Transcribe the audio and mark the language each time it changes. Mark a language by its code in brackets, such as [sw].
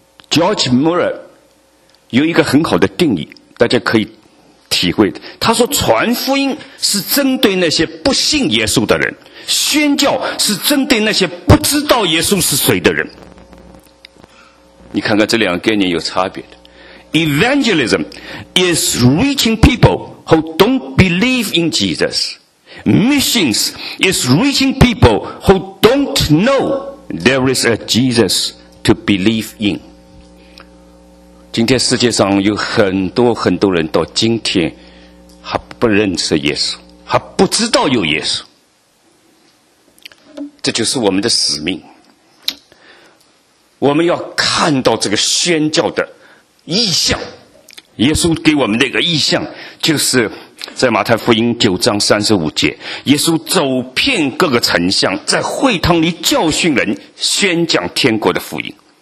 [zh] George Murray 有一个很好的定义，大家可以体会的，他说传福音是针对那些不信耶稣的人，宣教是针对那些不知道耶稣是谁的人。你看看这两个概念有差别的。 [en] Evangelism is reaching people who don't believe in Jesus. Missions is reaching people who don't know there is a Jesus to believe in. [zh] 今天世界上有很多很多人到今天还不认识耶稣，还不知道有耶稣，这就是我们的使命。我们要看到这个宣教的意象，耶稣给我们那个意象就是在马太福音9章35节，耶稣走遍各个城乡，在会堂里教训人，宣讲天国的福音。